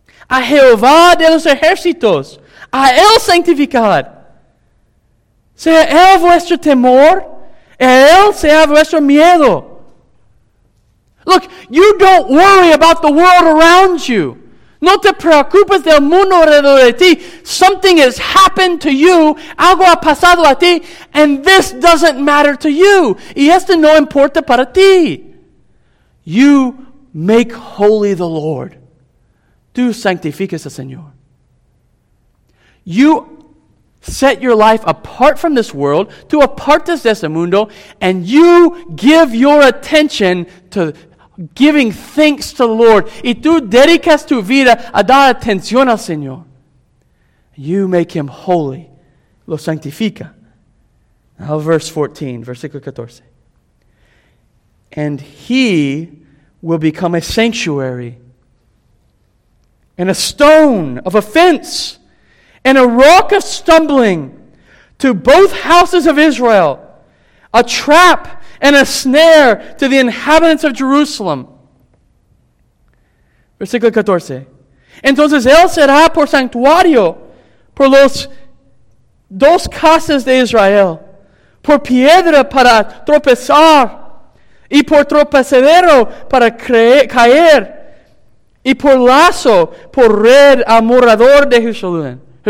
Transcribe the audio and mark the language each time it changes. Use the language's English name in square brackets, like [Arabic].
[Spanish] A Jehová de los ejércitos, a él sanctificad. Sea él vuestro temor, a él sea vuestro miedo. [English] Look, you don't worry about the world around you. [Spanish] No te preocupes del mundo alrededor de ti. [English] Something has happened to you. [Spanish] Algo ha pasado a ti. [English] And this doesn't matter to you. [Spanish] Y esto no importa para ti. [English] You make holy the Lord. [Spanish] Tú sanctificas al Señor. [English] You set your life apart from this world. [Spanish] Tú apartas de este mundo. [English] And you give your attention to giving thanks to the Lord. [Spanish] Y tú dedicas tu vida a dar atención al Señor. [English] You make him holy. [Spanish] Lo sanctifica. [English] Now verse 14, [Spanish] versículo 14. [English] And he will become a sanctuary and a stone of offense and a rock of stumbling to both houses of Israel, a trap and a snare to the inhabitants of Jerusalem. [Spanish] Versículo 14. Entonces él será por santuario, por los dos casas de Israel, por piedra para tropezar, y por tropezadero para caer, y por lazo, por red al morador de Jerusalén.